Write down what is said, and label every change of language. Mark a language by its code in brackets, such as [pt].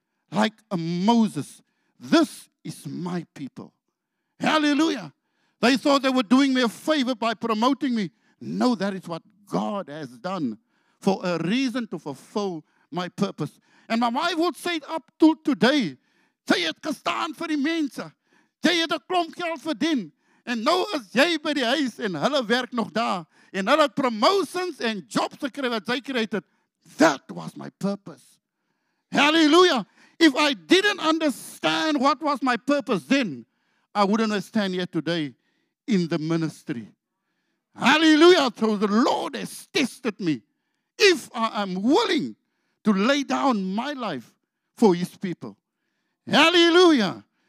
[en] Like a Moses, this is my people. Hallelujah. They thought they were doing me a favor by promoting me. No, that is what God has done for a reason to fulfill my purpose. And my wife would say it up to today. [af] Sy het gestaan vir die mense. Sy het 'n klomp geld verdien. En nou is jy by die huis en hulle werk nog daar. En hulle het promotions en jobs gekry wat sy gekry het. [en] That was my purpose. Hallelujah. If I didn't understand what was my purpose then, I wouldn't stand here today in the ministry. Hallelujah. So the Lord has tested me. If I am willing to lay down my life for his people. Hallelujah.